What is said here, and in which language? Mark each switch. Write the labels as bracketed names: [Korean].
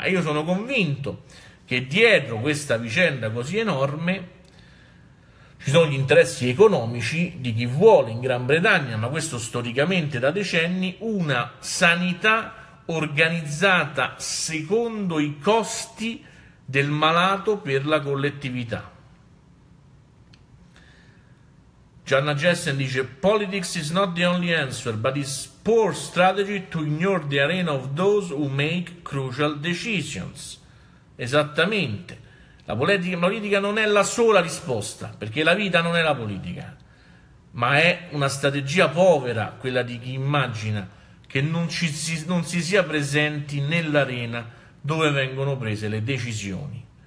[Italian] E io sono convinto che dietro questa vicenda così enorme ci sono gli interessi economici di chi vuole in Gran Bretagna, ma questo storicamente da decenni, una sanità organizzata secondo i costi del malato per la collettività. [English] Gianna Jessen [Italian] dice: [English] Politics is not the only answer, but it's poor strategy to ignore the arena of those who make crucial decisions. [Italian] Esattamente. La politica non è la sola risposta, perché la vita non è la politica, ma è una strategia povera quella di chi immagina che non si sia presenti nell'arena dove vengono prese le decisioni.